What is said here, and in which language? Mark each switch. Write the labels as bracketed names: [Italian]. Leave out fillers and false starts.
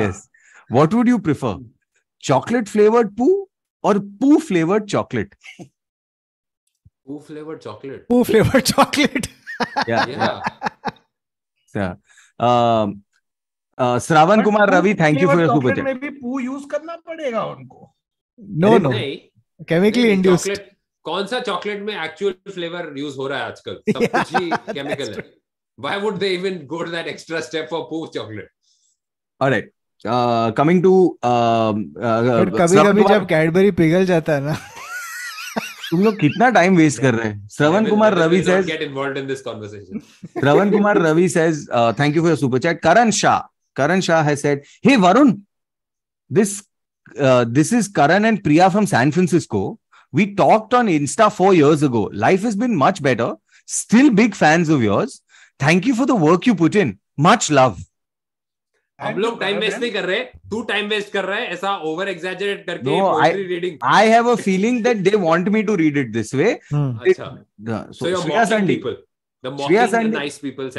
[English] Yes. What would you prefer? Chocolate flavored poo or poo flavored chocolate? Poo flavored chocolate. Yeah. Sravan but Kumar Ravi, thank you for your super chat. [Hindi] Maybe poo use karna padega unko. [English] No. Chemically maybe induced. [Hindi] कौन सा chocolate में actual flavour use हो रहा है आजकल सब कुछ ही chemical है [English] why would they even go to that extra step for poo chocolate alright coming to [Hindi] कभी कभी जब कैडबरी पिघल जाता है ना तुम लोग कितना टाइम वेस्ट कर रहे हैं Shravan Kumar Ravi says [English] Get involved in this conversation Shravan Kumar Ravi says thank you for your super chat Karan Shah has said hey Varun this is Karan and Priya from San Francisco We talked on Insta 4 years ago. Life has been much better. Still big fans of yours. Thank you for the work you put in. Much love. [Hindi] हम लोग time waste नहीं कर रहे. तू time waste कर रहा है. ऐसा over exaggerate करके [English] poetry reading. I have a feeling that they want me to read it this way. So you're mocking people. The mocking the nice people.